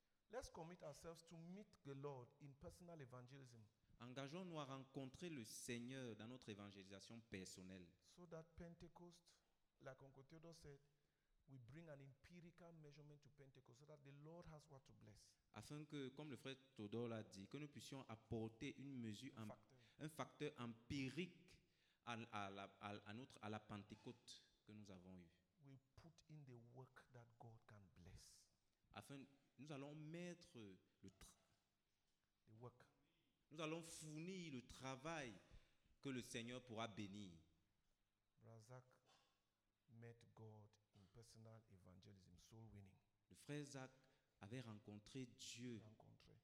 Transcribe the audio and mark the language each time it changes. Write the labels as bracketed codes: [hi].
[en] Let's commit ourselves to meet the Lord in personal evangelism. [fr] Engageons-nous à rencontrer le Seigneur dans notre évangélisation personnelle. [en] So that Pentecost, like Uncle Theodore said, we bring an empirical measurement to Pentecost so that the Lord has what to bless. [fr] Afin que, comme le frère Theodore l'a dit, que nous puissions apporter une mesure, un facteur empirique à la Pentecôte que nous avons eue. [en] We put in the work that God can bless. [fr] Afin, nous allons mettre le [en] the work. [fr] Nous allons fournir le travail que le Seigneur pourra bénir. [en] Brazak met God in personal evangelism, soul winning. [fr] Le frère Zach avait rencontré Dieu. Rencontré.